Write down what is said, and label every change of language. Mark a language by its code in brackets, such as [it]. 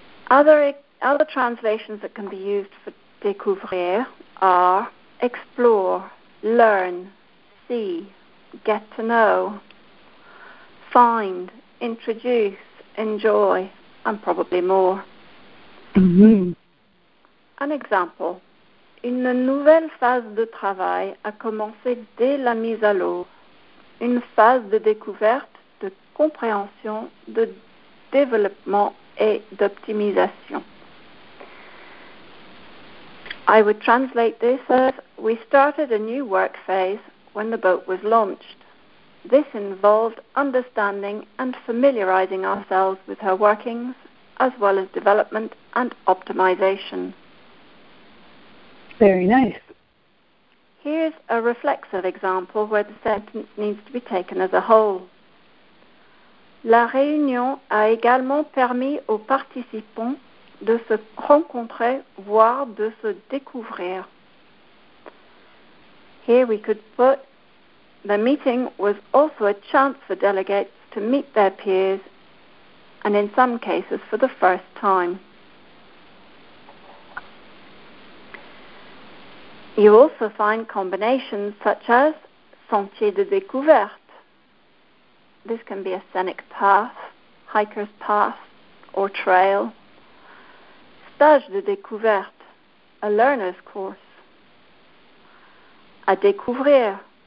[en] Other translations that can be used for découvrir are explore, learn, see, get to know, find, introduce, enjoy, and probably more. An example. [fr] Une nouvelle phase de travail a commencé dès la mise à l'eau. Une phase de découverte, de compréhension, de développement et d'optimisation. [en] I would translate this as, we started a new work phase when the boat was launched. This involved understanding and familiarizing ourselves with her workings, as well as development and optimization. Very nice. Here's a reflexive example where the sentence needs to be taken as a whole. [fr] La réunion a également permis aux participants de se rencontrer, voire de se découvrir. [en] Here we could put, the meeting was also a chance for delegates to meet their peers, and in some cases for the first time. You also find combinations such as sentier de découverte. This can be a scenic path, hiker's path, or trail. [fr] Stage de découverte, [en] a learner's course. [fr] À découvrir,